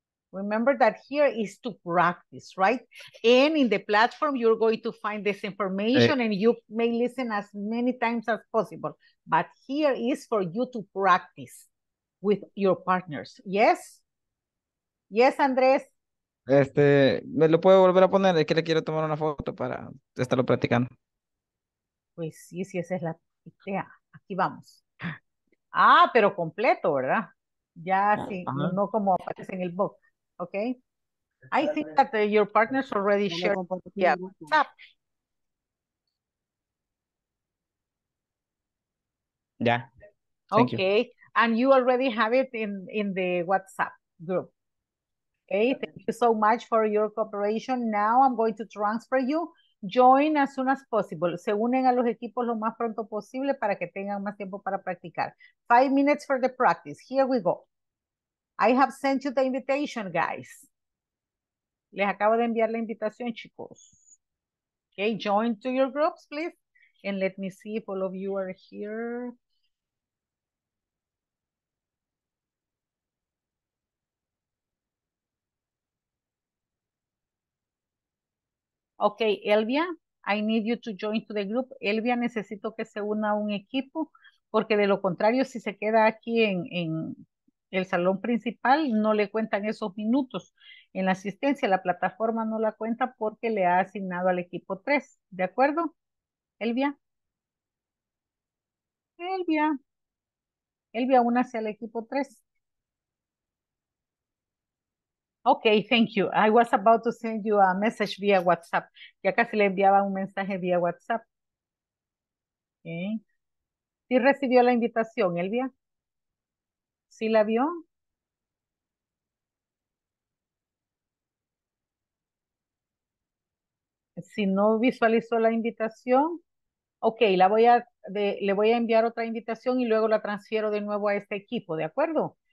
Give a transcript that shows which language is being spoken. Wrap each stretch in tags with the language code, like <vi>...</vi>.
<en>Remember that here is to practice, right? And in the platform, you're going to find this information and you may listen as many times as possible. But here is for you to practice with your partners. Yes? Yes, Andres.</en> <es>Este, ¿me lo puedo volver a poner? Es que le quiero tomar una foto para estarlo practicando. Pues sí, sí, esa es la idea. Aquí vamos. Ah, pero completo, ¿verdad? Ya sí, no como aparece en el book.</es> <en>Okay. I think that your partners already shared WhatsApp. Yeah. Okay. And you already have it in the WhatsApp group. Okay. Thank you so much for your cooperation. Now I'm going to transfer you. Join as soon as possible.</en> <es>Se unen a los equipos lo más pronto posible para que tengan más tiempo para practicar.</es> <en>5 minutes for the practice. Here we go. I have sent you the invitation, guys.</en> <es>Les acabo de enviar la invitación, chicos.</es> <en>Okay, join to your groups, please. And let me see if all of you are here. Okay, Elvia, I need you to join to the group.</en> <es>Elvia, necesito que se una un equipo, porque de lo contrario, si se queda aquí en el salón principal, no le cuentan esos minutos en la asistencia. La plataforma no la cuenta porque le ha asignado al equipo 3. ¿De acuerdo, Elvia? Elvia. Elvia, únase al equipo 3.</es> <en>Okay, thank you. I was about to send you a message via WhatsApp.</en> <es>Ya casi le enviaba un mensaje vía WhatsApp. Okay. ¿Sí recibió la invitación, Elvia? ¿Sí la vio? Si no visualizó la invitación, ok, le voy a enviar otra invitación y luego la transfiero de nuevo a este equipo, ¿de acuerdo?</es>